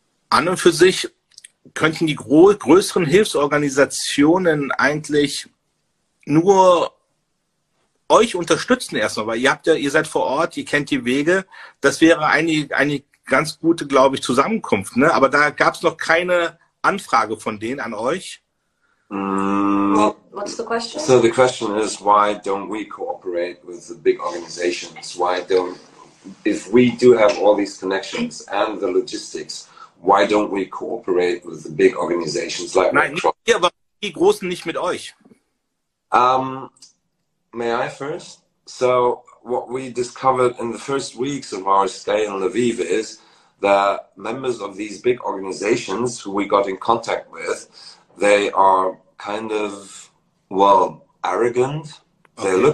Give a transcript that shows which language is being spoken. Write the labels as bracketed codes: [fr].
[de] An und für sich könnten die größeren Hilfsorganisationen eigentlich nur euch unterstützen erstmal, weil ihr seid vor Ort, ihr kennt die Wege. Das wäre eine ganz gute, glaube ich, Zusammenkunft, ne? Aber da gab es noch keine Anfrage von denen an euch. [en] What's the question? So the question is, why don't we cooperate with the big organizations? Why don't, if we do have all these connections and the logistics, why don't we cooperate with the big organizations like [de] Nein, nicht ihr, aber die Großen nicht mit euch. [en] May I first? So what we discovered in the first weeks of our stay in Lviv is that members of these big organizations who we got in contact with, they are kind of, well, arrogant. Okay.